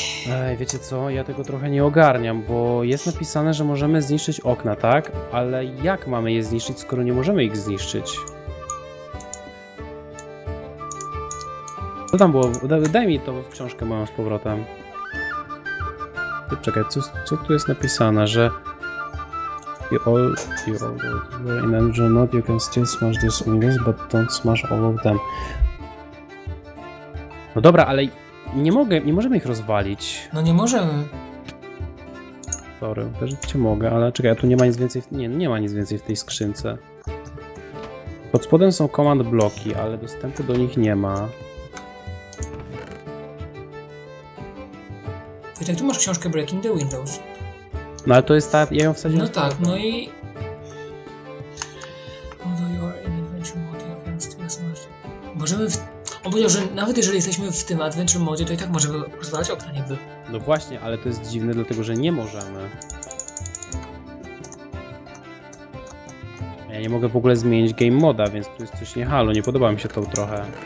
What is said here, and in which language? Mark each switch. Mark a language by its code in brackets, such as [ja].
[pl] Ej, wiecie co, ja tego trochę nie ogarniam, bo jest napisane, że możemy zniszczyć okna, tak? Ale jak mamy je zniszczyć, skoro nie możemy ich zniszczyć? Co tam było? Daj mi tą książkę moją z powrotem. Czekaj, co tu jest napisane, że... [en] You all were in engine mode, you can still smash these windows, but don't smash all of them. [pl] No dobra, ale nie możemy ich rozwalić. No nie możemy. Sorry, też cię mogę, ale czekaj, tu nie ma nic więcej, nie ma nic więcej w tej skrzynce. Pod spodem są command bloki, ale dostępu do nich nie ma. Tak, tu masz książkę Breaking the Windows. No ale to jest ta, ja ją wsadziłem. No tak, no i... [en] Although you are in adventure mode, you can still smash... [pl] Możemy w... On powiedział, że nawet jeżeli jesteśmy w tym adventure mode, to i tak możemy rozwalać okna niby. No właśnie, ale to jest dziwne, dlatego że nie możemy. Ja nie mogę w ogóle zmienić game moda, więc tu jest coś nie halo, nie podoba mi się to trochę.